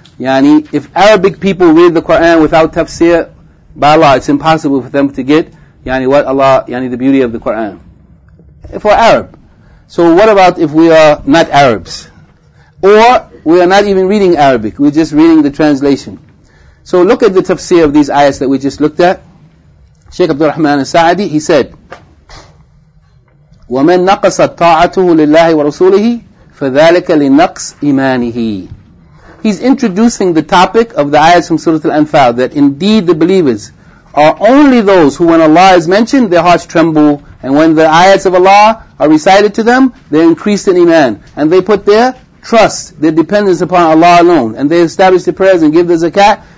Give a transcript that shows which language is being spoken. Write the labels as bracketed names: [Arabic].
[English] Yani, if Arabic people read the Quran without tafsir, by Allah, it's impossible for them to get, yani, what Allah, yani, the beauty of the Quran. For Arab. So what about if we are not Arabs? Or we are not even reading Arabic, we're just reading the translation. So look at the tafsir of these ayats that we just looked at. [Arabic] Shaykh Abdul Rahman Al-Sa'adi, [English] he said, [Arabic] وَمَنْ نَقَصَتْ طَاعَتُهُ لِلَّهِ وَرَسُولِهِ فَذَلِكَ لِنَقْصْ إِمَانِهِ. [English] He's introducing the topic of the ayahs from Surah Al-Anfal, that indeed the believers are only those who, when Allah is mentioned, their hearts tremble, and when the ayahs of Allah are recited to them, they're increased in iman. And they put their trust, their dependence upon Allah alone, and they establish the prayers and give the zakat.